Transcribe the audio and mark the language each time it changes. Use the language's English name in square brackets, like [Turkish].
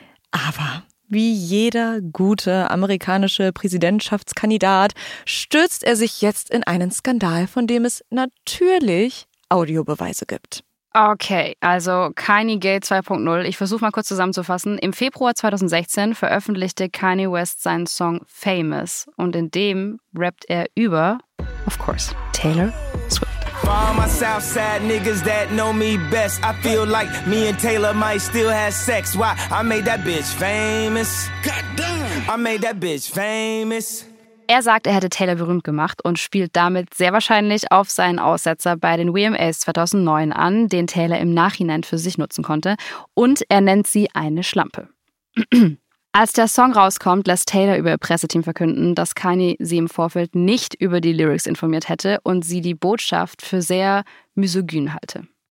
[German] Aber wie jeder gute amerikanische Präsidentschaftskandidat stürzt er sich jetzt in einen Skandal, von dem es natürlich Audiobeweise gibt. Okay, also Kanye Gate 2.0. Ich versuche mal kurz zusammenzufassen. Im Februar 2016 veröffentlichte Kanye West seinen Song Famous und in dem rappt er über, [English] of course, [German] Taylor Swift. [English] For all my South Side niggas that know me best, I feel like me and Taylor might still have sex. Why? I made that bitch famous. God damn. I made that bitch famous. [German] Er sagt, er hätte Taylor berühmt gemacht und spielt damit sehr wahrscheinlich auf seinen Aussetzer bei den VMAs 2009 an, den Taylor im Nachhinein für sich nutzen konnte. Und er nennt sie eine Schlampe. Als der Song rauskommt, lässt Taylor über ihr Presseteam verkünden, dass Kanye sie im Vorfeld nicht über die Lyrics informiert hätte und sie die Botschaft für sehr misogyn halte.